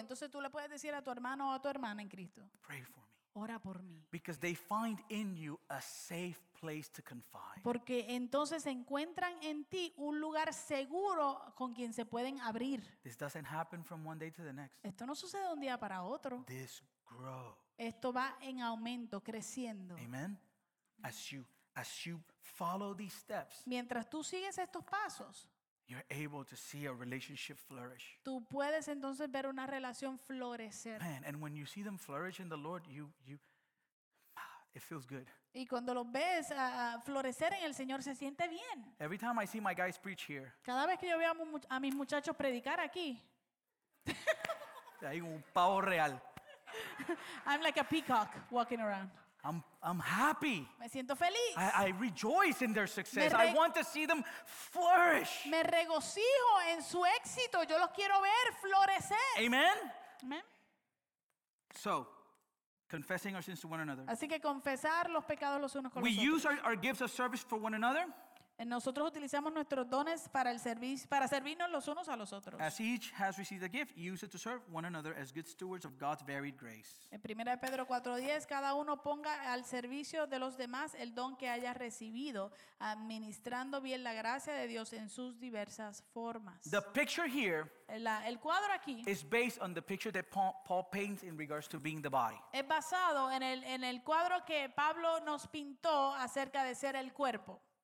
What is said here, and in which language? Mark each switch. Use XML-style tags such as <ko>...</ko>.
<es>Entonces tú le puedes decir a tu hermano o a tu hermana en Cristo.</es> <en>Pray for me.</en> <es>Ora por mí.</es> <en>Because they find in you a safe place to confide.</en> <es>Porque entonces encuentran en ti un lugar seguro con quien se pueden abrir.</es> <en>This doesn't happen from one day to the next.</en> <es>Esto no sucede de un día para otro.</es> <en>This grow.</en> <es>Esto va en aumento, creciendo.</es> <en>Amen. As you follow these steps.</en> <es>Mientras tú sigues estos pasos.</es> <en>You're able to see a relationship flourish.</en> <es>Tú puedes entonces ver una relación florecer.</es> <en>Man, and when you see them flourish in the Lord, you it feels good.</en> <es>Y cuando los ves florecer en el Señor, se siente bien.</es> <en>Every time I see my guys preach here.</en> <es>Cada vez que yo veo a mis muchachos predicar aquí. Hay un pavo real.</es> <en>I'm like a peacock walking around. I'm happy.</en> <es>Me siento feliz.</es> <en>I rejoice in their success. I want to see them flourish.</en> <es>Me regocijo en su éxito. Yo los quiero ver florecer.</es> <en>Amen.</en> <es>Amen.</es> <en>So, confessing our sins to one another.</en> <es>Así que confesar los pecados los unos con los otros.</es> <en>We use our gifts of service for one another.</en> <es>Nosotros utilizamos nuestros dones para el servicio, para servirnos los unos a los otros.</es> <en>As each has received a gift, use it to serve one another as good stewards of God's varied grace.</en> <es>En 1 Pedro 4:10, cada uno ponga al servicio de los demás el don que haya recibido, administrando bien la gracia de Dios en sus diversas formas.</es> <en>The picture here,</en> <es>el cuadro aquí,</es> <en>is based on the picture that Paul paints in regards to being the body.</en> <es>Es basado en el cuadro que Pablo nos pintó acerca de ser el cuerpo.</es>